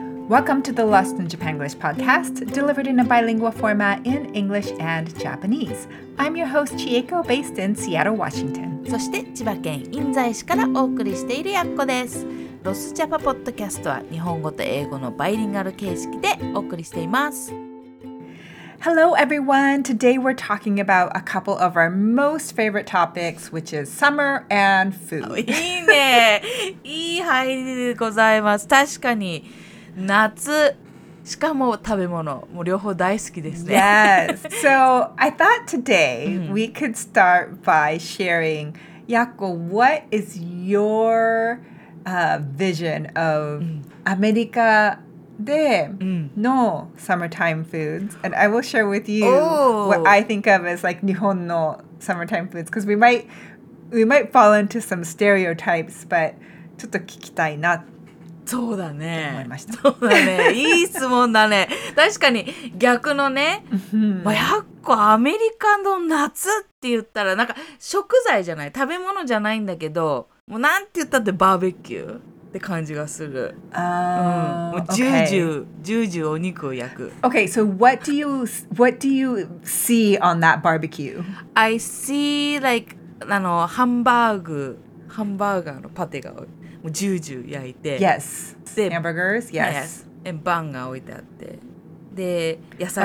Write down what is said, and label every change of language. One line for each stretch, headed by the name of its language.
English: Welcome to the Lost in Japan English podcast, delivered in a bilingual format in English and Japanese. I'm your host, Chieko, based in Seattle, Washington.
Japanese: そして千葉県印西市からお送りしているやっこです。ロスジャパポッドキャストは日本語と英語のバイリンガル形式でお送りしています。
English: Hello everyone! Today we're talking about a couple of our most favorite topics, which is summer and food.
Japanese: いいね。いい入りでございます。確かに夏、しかも食べ物、もう両方大好きですね。
English: Yes! So I thought today we could start by sharing, Yakko, what is your vision of America? で、no summertime foods, and I will share with you what I think of as like
Japanese: 日本の
English: summertime foods, because we might fall into some stereotypes, but
Japanese: ちょっと聞きたいなそうだね思いましたそうだねいい質問だね確かに逆のね、まあ、やっこアメリカの夏って言ったらなんか食材じゃない食べ物じゃないんだけどもうなんて言ったってバーベキューって感じがする。もうジュージュー、ジュージューお肉を焼く。
English: Okay, so what do you see on that barbecue? I see like
Japanese: あのハンバーグ、ハンバーガーのパテがもうジュージュー焼いて。
English: Yes. Hamburgers. Yes. And
Japanese: バンが置いてあって。で野菜。